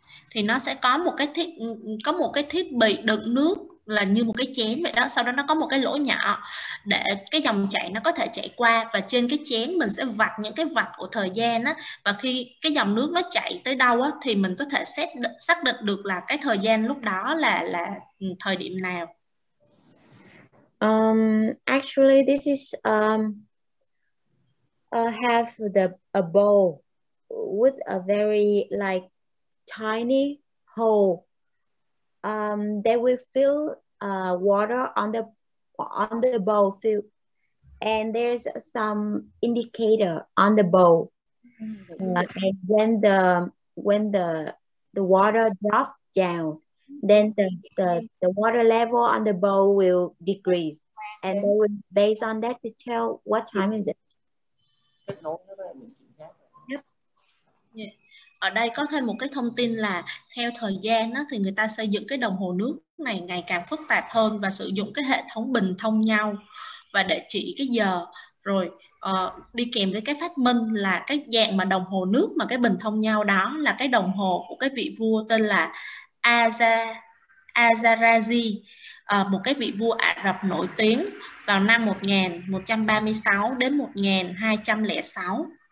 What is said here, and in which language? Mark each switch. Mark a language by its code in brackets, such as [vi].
[vi] Thì nó sẽ có một cái thiết, có một cái thiết bị đựng nước là như một cái chén vậy đó, sau đó nó có một cái lỗ nhỏ để cái dòng chảy nó có thể chảy qua, và trên cái chén mình sẽ vạch những cái vạch của thời gian á, và khi cái dòng nước nó chạy tới đâu á thì mình có thể xét xác định được là cái thời gian lúc đó là thời điểm nào. [en] Actually this is have the a bowl with a very like tiny hole. They will fill water on the bowl fill, and there's some indicator on the bowl. And when the water drops down, then the water level on the bowl will decrease, and they will based on that to tell what time is it. [vi] Ở đây có thêm một cái thông tin là theo thời gian đó, thì người ta xây dựng cái đồng hồ nước này ngày càng phức tạp hơn và sử dụng cái hệ thống bình thông nhau và để chỉ cái giờ, rồi đi kèm với cái phát minh là cái dạng mà đồng hồ nước mà cái bình thông nhau đó là cái đồng hồ của cái vị vua tên là Azarazi, một cái vị vua Ả Rập nổi tiếng vào năm 1136 đến 1206.